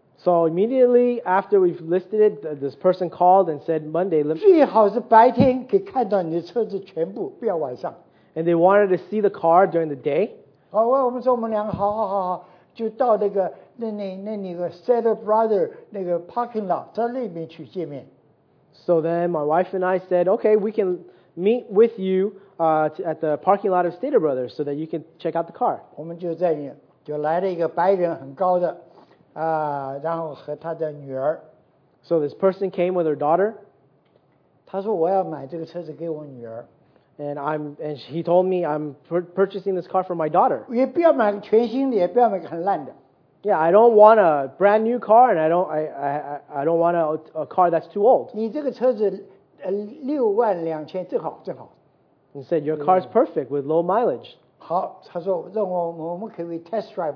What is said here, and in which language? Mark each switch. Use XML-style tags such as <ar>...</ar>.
<en>So immediately after we've listed it, this person called and said, Monday,</en> <zh>最好是白天可以看到你的车子全部，不要晚上。</zh> <en>And they wanted to see the car during the day.</en> <zh>好，我们说我们两个好好好好，就到那个。那你个 set of brother 那个 parking lot 在那边去见面。</zh> <en>So then my wife and I said, okay, we can meet with you at the parking lot of Stater Brothers so that you can check out the car.</en> <zh>我们就来了一个白人很高的，然后和他的女儿。</zh> <en>So this person came with her daughter.</en> <zh>他说我要买这个车子给我女儿。</zh> <en>And he told me I'm purchasing this car for my daughter.</en> <zh>也不要买全新的，也不要买很烂的。</zh> <en>Yeah, I don't want a brand new car, and I don't want a car that's too old.</en> <zh>你这个车子六万两千，正好正好。</zh> <en>He said your car is perfect with low mileage.</en> <zh>好，他说让我们可以 test drive.</zh>